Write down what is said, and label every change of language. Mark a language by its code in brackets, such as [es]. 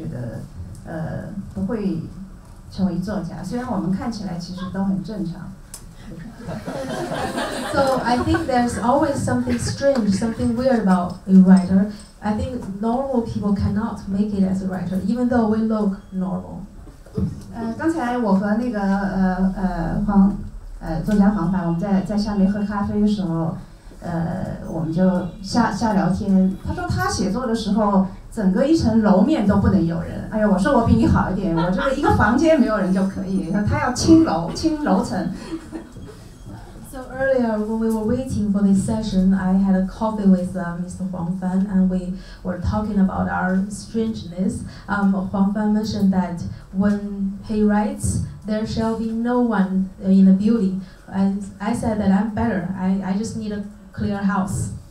[zh] 我会觉得作家其实都是有些怪癖的人，因为特别正常的人，我觉得不会。 [en] So I think there's always something strange, something weird about a writer. I think normal people cannot make it as a writer, even though we look normal. [zh] 刚才我和那个作家黄凡，我们在下面喝咖啡的时候，我们就下聊天。他说他写作的时候。整个一层楼面都不能有人，哎呀，我说我比你好一点，我这个一个房间没有人就可以，他要清楼，清楼层。 [en] So earlier when we were waiting for this session, I had a coffee with Mr. Huang Fan, and we were talking about our strangeness. Huang Fan mentioned that when he writes, there shall be no one in the building. And I said that I'm better, I just need a clear house.